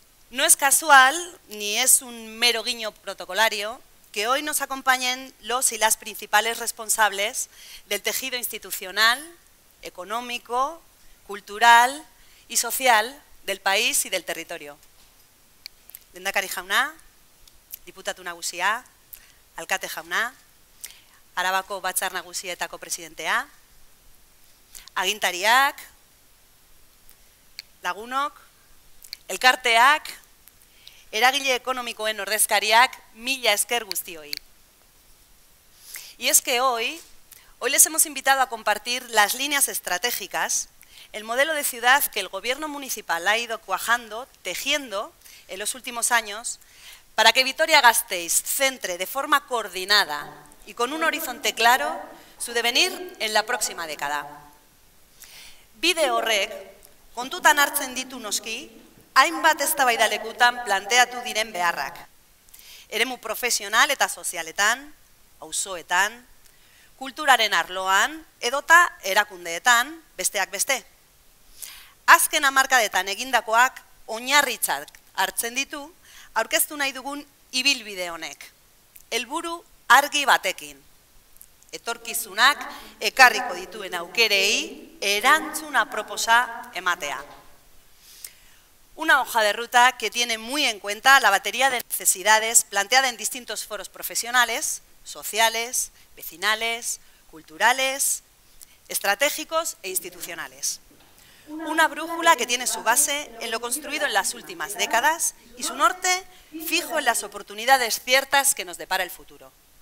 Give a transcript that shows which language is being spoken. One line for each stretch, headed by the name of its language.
Spanish: No es casual, ni es un mero guiño protocolario, que hoy nos acompañen los y las principales responsables del tejido institucional, económico, cultural y social del país y del territorio.
Basque: Lehendakari jauna, diputatu nagusia, alkate jauna, Arabako batzar nagusietako presidentea, agintariak, lagunok, elkarteak, eragile ekonomikoen ordezkariak, mila esker guztioi.
Spanish: Y es que hoy les hemos invitado a compartir las líneas estratégicas, el modelo de ciudad que el Gobierno Municipal ha ido cuajando, tejiendo en los últimos años, para que Vitoria-Gasteiz centre de forma coordinada y con un horizonte claro su devenir en la próxima década.
Basque: Bide horrek, kontutan hartzen ditu noski, hainbat eztabaidalekutan planteatu diren beharrak. Eremu profesional eta sozialetan, auzoetan, kulturaren arloan, edota erakundeetan, besteak beste. Azken hamarkadetan egindakoak oinarritzat hartzen ditu, aurkeztu nahi dugun ibilbide honek. Helburu argi batekin. Etorkizunak ekarriko dituen aukerei erantzuna proposa ematea.
Spanish: Una hoja de ruta que tiene muy en cuenta la batería de necesidades planteada en distintos foros profesionales, sociales, vecinales, culturales, estratégicos e institucionales. Una brújula que tiene su base en lo construido en las últimas décadas y su norte fijo en las oportunidades ciertas que nos depara el futuro.